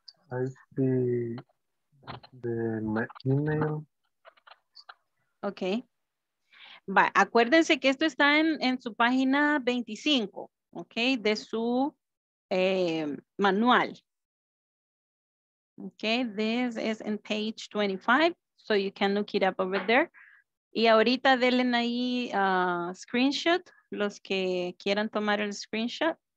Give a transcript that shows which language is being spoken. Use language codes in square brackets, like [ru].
[en] I see the email. Okay. [es] Va, acuérdense que esto está en su página 25, okay, de su manual. [en] Okay, this is in page 25, so you can look it up over there. [es] Y ahorita denle ahí screenshot, los que quieran tomar el screenshot.